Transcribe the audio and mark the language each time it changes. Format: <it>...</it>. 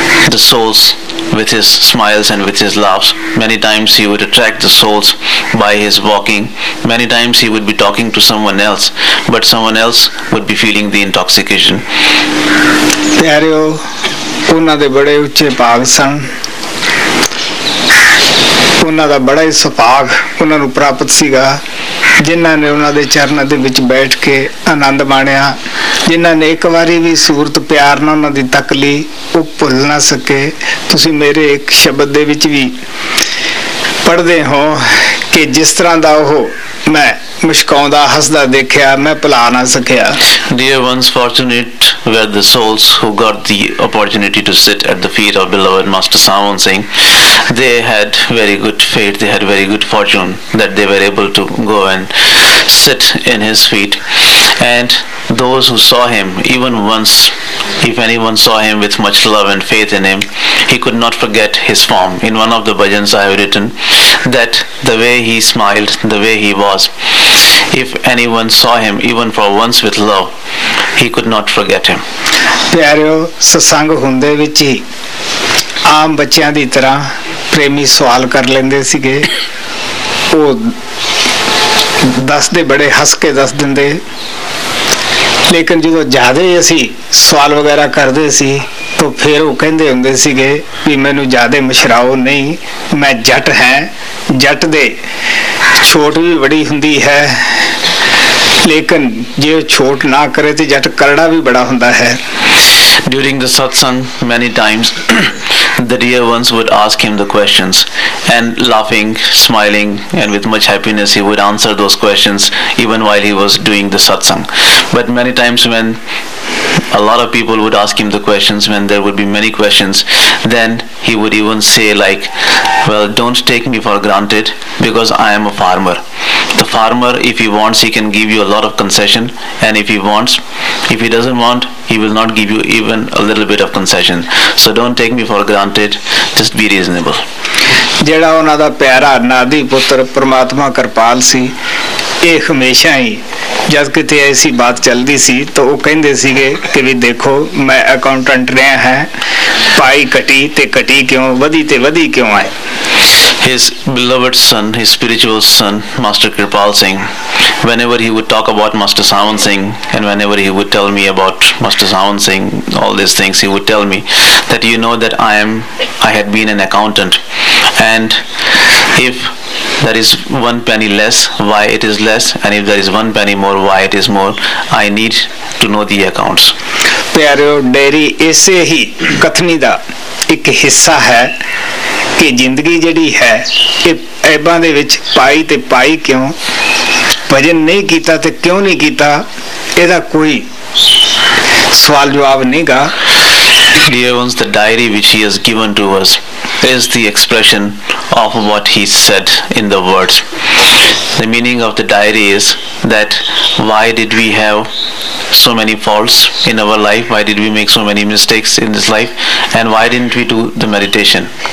<en>the souls with his smiles and with his laughs many times he would attract the souls by his walking many times he would be talking to someone else but someone else would be feeling the intoxication Theario.</en> <pa>ਉਹਨਾਂ ਦੇ ਬੜੇ ਉੱਚੇ ਭਾਗ ਸਨ ਉਹਨਾਂ ਦਾ ਬੜਾ ਹੀ ਸੁਭਾਗ ਉਹਨਾਂ ਨੂੰ ਪ੍ਰਾਪਤ ਸੀਗਾ ਜਿਨ੍ਹਾਂ ਨੇ ਉਹਨਾਂ ਦੇ ਚਰਨਾਂ ਦੇ ਵਿੱਚ ਬੈਠ ਕੇ ਆਨੰਦ ਮਾਣਿਆ ਜਿਨ੍ਹਾਂ ਨੇ ਇੱਕ ਵਾਰੀ ਵੀ ਸੂਰਤ ਪਿਆਰ ਨਾਲ ਉਹਨਾਂ ਦੀ ਤੱਕ ਲਈ ਉਹ ਭੁੱਲ ਨਾ ਸਕੇ ਤੁਸੀਂ ਮੇਰੇ ਇੱਕ ਸ਼ਬਦ ਦੇ ਵਿੱਚ ਵੀ ਪੜ੍ਹਦੇ ਹੋ ਕਿ ਜਿਸ ਤਰ੍ਹਾਂ ਦਾ ਉਹ ਮੈਂ ਮੁਸ਼ਕਾਉਂਦਾ ਹੱਸਦਾ ਦੇਖਿਆ ਮੈਂ ਭੁਲਾ ਨਾ ਸਕਿਆ</pa> <en>Dear ones, fortunate were the souls who got the opportunity to sit at the feet of beloved Master Savan Singh. They had very good fate, they had very good fortune that they were able to go and sit in his feet. And those who saw him, even once, if anyone saw him with much love and faith in him, he could not forget his form. In one of the bhajans I have written, that the way he smiled, the way he was, if anyone saw him, even for once with love, he could not forget him.</en> <pa>ਪਿਆਰਿਓ ਸਤਸੰਗ ਹੁੰਦੇ ਵਿੱਚ ਹੀ ਆਮ ਬੱਚਿਆਂ ਦੀ ਤਰ੍ਹਾਂ ਪ੍ਰੇਮੀ ਸਵਾਲ ਕਰ ਲੈਂਦੇ ਸੀਗੇ ਉਹ ਦੱਸਦੇ ਬੜੇ ਹੱਸ ਕੇ ਦੱਸ ਦਿੰਦੇ ਲੇਕਿਨ ਜਦੋਂ ਜ਼ਿਆਦਾ ਅਸੀਂ ਸਵਾਲ ਵਗੈਰਾ ਕਰਦੇ ਸੀ ਤਾਂ ਫਿਰ ਉਹ ਕਹਿੰਦੇ ਹੁੰਦੇ ਸੀਗੇ ਵੀ ਮੈਨੂੰ ਜ਼ਿਆਦਾ ਮਸ਼ਰਾਓ ਨਹੀਂ ਮੈਂ ਜੱਟ ਹੈ ਜੱਟ ਦੇ ਛੋਟ ਵੀ ਬੜੀ ਹੁੰਦੀ ਹੈ लेकिन जे छोट ना करे ते जट करड़ा भी बड़ा हुंदा है.</pa> <en>During the satsang, many times the dear ones would ask him the questions, and laughing, smiling, and with much happiness, he would answer those questions even while he was doing the satsang. But many times, when a lot of people would ask him the questions, when there would be many questions, then he would even say, like, well, don't take me for granted, because I am a farmer. The farmer, if he wants, he can give you a lot of concession, and if he wants, if he doesn't want, he will not give you even a little bit of concession. So don't take me for granted, just be reasonable.</en> <pa>ਜਿਹੜਾ ਉਹਨਾਂ ਦਾ ਪਿਆਰਾ ਨਾਦੀ ਪੁੱਤਰ ਪਰਮਾਤਮਾ ਕਿਰਪਾਲ ਸੀ, ਇਹ ਹਮੇਸ਼ਾ ਹੀ ਜਦ ਕਿਤੇ ਐਸੀ ਬਾਤ ਚੱਲਦੀ ਸੀ ਤਾਂ ਉਹ ਕਹਿੰਦੇ ਸੀਗੇ ਕਿ ਵੀ ਦੇਖੋ ਮੈਂ ਅਕਾਊਂਟੈਂਟ ਰਿਹਾ ਹੈ, ਪਾਈ ਘਟੀ ਅਤੇ ਘਟੀ ਕਿਉਂ, ਵਧੀ ਅਤੇ ਵਧੀ ਕਿਉਂ ਆਏ.</pa> <en>His beloved son, his spiritual son, Master Kripal Singh, whenever he would talk about Master Sawan Singh, and whenever he would tell me about Master Sawan Singh, all these things, he would tell me that, you know, that I had been an accountant, and if there is one penny less, why it is less, and if there is one penny more, why it is more, I need to know the accounts.</en> <pa>ਪਿਆਰਿਓ, dairy ਇਸੇ ਹੀ ਕਥਨੀ ਦਾ ਇੱਕ ਹਿੱਸਾ ਹੈ ਕਿ ਜ਼ਿੰਦਗੀ ਜਿਹੜੀ ਹੈ ਕਿ ਐਬਾਂ ਦੇ ਵਿੱਚ ਪਾਈ ਅਤੇ ਪਾਈ ਕਿਉਂ, ਭਜਨ ਨਹੀਂ ਕੀਤਾ ਅਤੇ ਕਿਉਂ ਨਹੀਂ ਕੀਤਾ, ਇਹਦਾ ਕੋਈ ਸਵਾਲ ਜਵਾਬ ਨਹੀਂ ਗਾ.</pa> <en>Dear ones, the diary which he has given to us is the expression of what he said in the words. The meaning of the diary is that why did we have so many faults in our life, why did we make so many mistakes in this life, and why didn't we do the meditation?</en>